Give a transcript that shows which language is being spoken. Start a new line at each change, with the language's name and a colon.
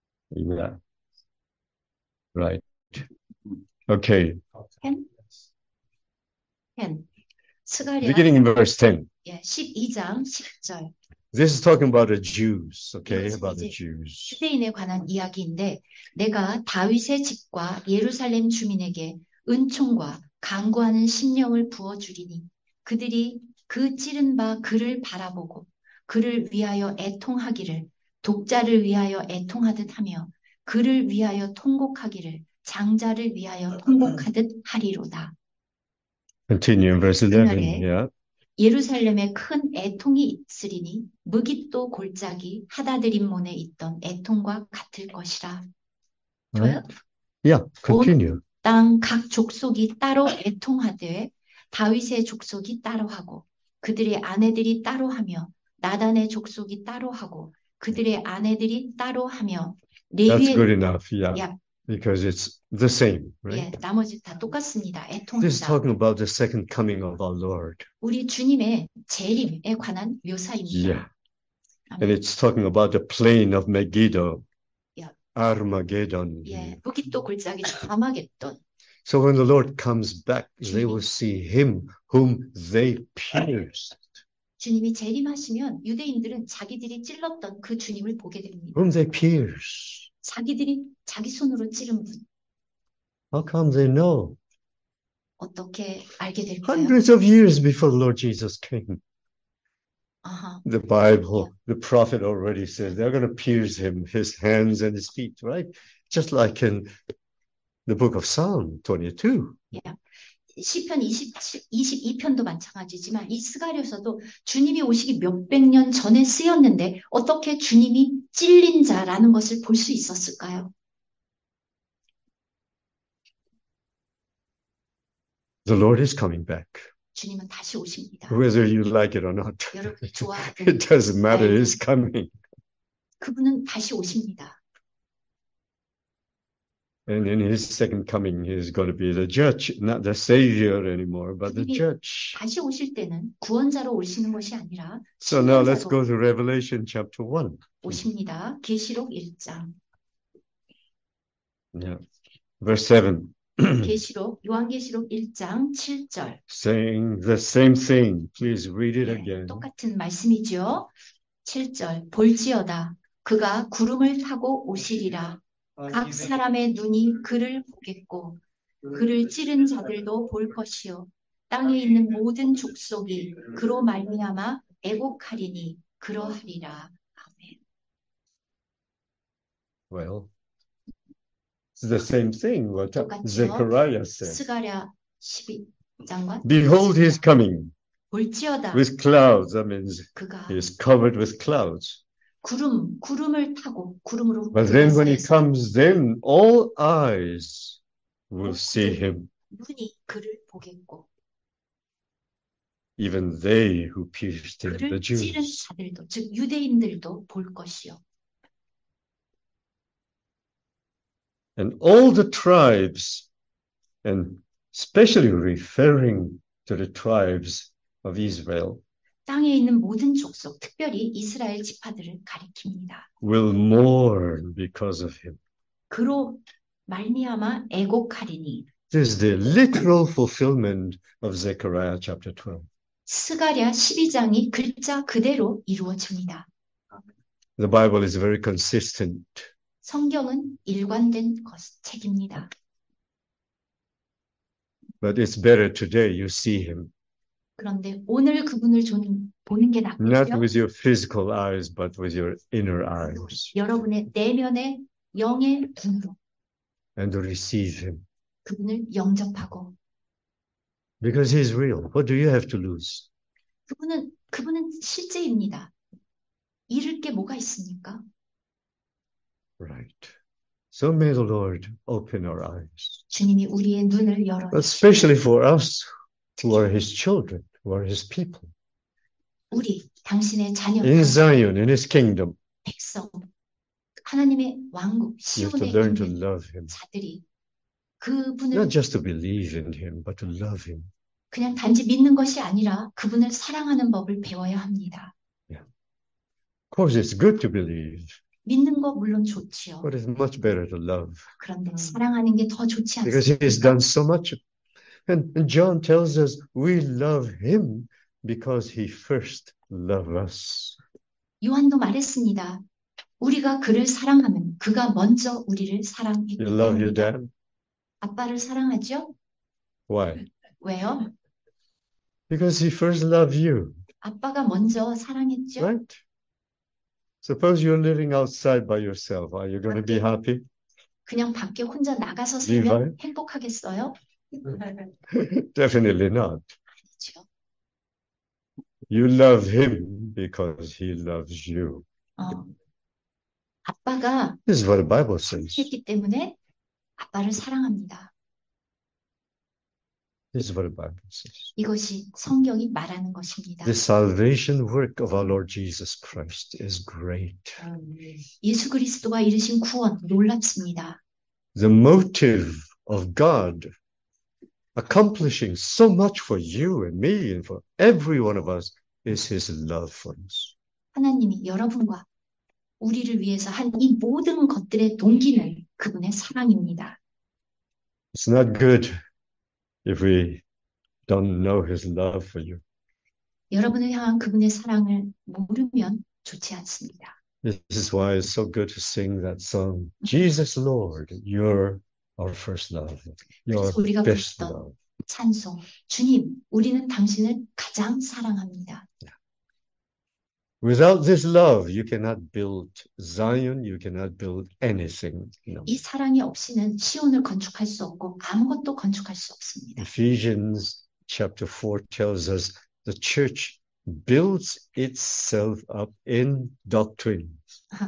English: Yeah. Right. Okay. Ten.
Korean: 스가랴
English: Beginning in verse 10.
Korean: 12장 10절.
English: This is talking about the Jews, okay,
Korean: 이것은
English: about the
Korean: 이제
English: Jews.
Korean: 유대인에 관한 이야기인데, 내가 다윗의 집과 예루살렘 주민에게 은총과 간구하는 심령을 부어주리니, 그들이 그 찌른 바 그를 바라보고, 그를 위하여 애통하기를, 독자를 위하여 애통하듯 하며, 그를 위하여 통곡하기를, 장자를 위하여 통곡하듯 하리로다.
English: Continue in verse 11,
Korean: 금요일에
English: yeah.
Korean: 예루살렘에 큰 애통이 있으리니, 무깃도 골짜기 하다드림몬에 있던 애통과 같을 것이라.
English: 12. Yeah,
Korean: 온
English: continue.
Korean: 땅각 족속이 따로 애통하되, 다윗의 족속이 따로 하고, 그들의 아내들이 따로 하며, 나단의 족속이 따로 하고, 그들의 아내들이 따로 하며,
English: That's good
Korean: 레위의,
English: enough, yeah, because it's the same, right?
Korean: 예, 나머지 다 똑같습니다.
English: This is
Korean: 애통하다.
English: talking about the second coming of our Lord.
Korean: 우리 주님의 재림에 관한 묘사입니다.
English: Yeah. And
Korean: 아멘.
English: it's talking about the plain of Megiddo, Armageddon.
Korean: 예, 무깃도 골짜기 사막에 있던.
English: So when the Lord comes back, they will see him whom they pierced,
Korean: 주님이 재림하시면 유대인들은 자기들이 찔렀던 그 주님을 보게 됩니다.
English: whom they pierced.
Korean: 자기들이 자기 손으로 찌른 분.
English: How come they know?
Korean: 어떻게 알게 될까요?
English: Hundreds of years before the Lord Jesus came, Uh-huh. the Bible, the prophet already says they're going to pierce him, his hands and his feet, right? Just like in the book of Psalm 22.
Korean: 시편 22편도 마찬가지지만 이 스가랴서도 주님이 오시기 몇백 년 전에 쓰였는데 어떻게 주님이 찔린 자라는 것을 볼수 있었을까요?
English: The Lord is coming back.
Korean: 주님은 다시 오십니다.
English: Whether you like it or not,
Korean: 여러분
English: it
Korean: 좋아하든
English: doesn't matter,
Korean: 말든
English: he's coming.
Korean: 그분은 다시 오십니다.
English: And in his second coming, he's going to be the judge, not the savior anymore, but the
Korean: 주님이
English: judge.
Korean: 다시 오실 때는 구원자로 오시는 것이 아니라
English: So now let's go
Korean: 심판자로
English: to Revelation chapter 1.
Korean: 오십니다. 계시록 1장.
English: Yeah. Verse 7.
Korean: 계시록 요한계시록 1장 7절.
English: Saying the same thing. Please read it
Korean: 예,
English: again.
Korean: 똑같은 말씀이지요. 7절. 볼지어다 그가 구름을 타고 오시리라. 각 사람의 눈이 그를 보겠고 그를 찌른 자들도 볼 것이요. 땅에 있는 모든 족속이 그로 말미암아 애곡하리니 그러하리라. 아멘.
English: Well, it's the same thing what
Korean: 똑같지요.
English: Zechariah said.
Korean: 스가랴 12장과
English: Behold, he's
Korean: 똑같습니다.
English: coming
Korean: 볼지어다
English: with clouds. That means
Korean: 그가
English: he's covered with clouds.
Korean: 구름을 타고 구름으로
English: But then
Korean: 그가
English: when he
Korean: 쌓여서
English: comes, then all eyes will see him.
Korean: 눈이 그를 보겠고
English: Even they who pierced him, the
Korean: 그를 찌른
English: Jews.
Korean: 자들도, 즉 유대인들도 볼 것이요.
English: And all the tribes, and especially referring to the tribes of Israel,
Korean: 땅에 있는 모든 족속, 특별히 이스라엘 지파들을 가리킵니다.
English: will mourn because of him.
Korean: 그로 말미암아 애곡하리니.
English: This is the literal fulfillment of Zechariah chapter 12.
Korean: 스가랴 12장이 글자 그대로 이루어집니다.
English: The Bible is very consistent.
Korean: 성경은 일관된 책입니다.
English: But it's better today you see him.
Korean: 그런데 오늘 그분을 보는 게
English: Not
Korean: 낫겠죠?
English: with your physical eyes, but with your inner eyes.
Korean: 여러분의 내면의 영의 눈으로
English: And receive him.
Korean: 그분을 영접하고
English: Because he's real. What do you have to lose?
Korean: 그분은 실제입니다. 잃을 게 뭐가 있습니까?
English: Right. So may the Lord open our eyes.
Korean: 주님이 우리의 눈을 열어주시고,
English: Especially for us who are
Korean: 특히
English: his children, who are his people.
Korean: 우리 당신의
English: In
Korean: 자녀들,
English: Zion, in his kingdom,
Korean: 백성, 하나님의 왕국,
English: you have to
Korean: 시온에
English: learn to
Korean: 있는
English: love him.
Korean: 자들이
English: Not
Korean: 그분을
English: just to believe in him, but to love him.
Korean: 그냥 단지 믿는 것이 아니라 그분을 사랑하는 법을 배워야 합니다.
English: Course, it's good to believe,
Korean: 믿는 거 물론 좋지요.
English: but it's much better to love.
Korean: 그런데 사랑하는 게더 좋지
English: Because he has
Korean: 않습니까?
English: done so much. And John tells us we love him because he first loved us.
Korean: 요한도 말했습니다. 우리가 그를 사랑하면 그가 먼저 우리를 사랑했기
English: You love your
Korean: 때문이다.
English: dad?
Korean: 아빠를 사랑하죠?
English: Why?
Korean: 왜요?
English: Because he first loved you.
Korean: 아빠가 먼저 사랑했죠?
English: Right? Suppose you're living outside by yourself. Are you going to be
Korean: 밖에,
English: happy?
Korean: 그냥 밖에 혼자 나가서
English: Being
Korean: 살면
English: fine?
Korean: 행복하겠어요?
English: Definitely not.
Korean: 아니죠.
English: You love him because he loves you.
Korean: 아빠가
English: This is what the Bible says.
Korean: 사랑했기 때문에 아빠를 사랑합니다.
English: This is what the Bible says.
Korean: 이것이 성경이 말하는
English: The
Korean: 것입니다.
English: salvation work of our Lord Jesus Christ is great.
Korean: 예수 그리스도가 이루신 구원, 놀랍습니다.
English: The motive of God accomplishing so much for you and me and for every one of us is his love for us.
Korean: 하나님이 여러분과 우리를 위해서 한이 모든 것들의 동기는 그분의 사랑입니다.
English: It's not good if we don't know his love for you.
Korean: 여러분을 향한 그분의 사랑을 모르면 좋지 않습니다.
English: This is why it's so good to sing that song, Jesus Lord, you're our first love,
Korean: 그래서
English: your
Korean: 우리가
English: best
Korean: 불렀던
English: love.
Korean: 찬송, 주님, 우리는 당신을 가장 사랑합니다.
English: Without this love, you cannot build Zion, you cannot build anything.
Korean: 이 사랑이 없이는 시온을 건축할 수 없고 아무것도 건축할 수 없습니다.
English: Ephesians chapter 4 tells us the church builds itself up in doctrines.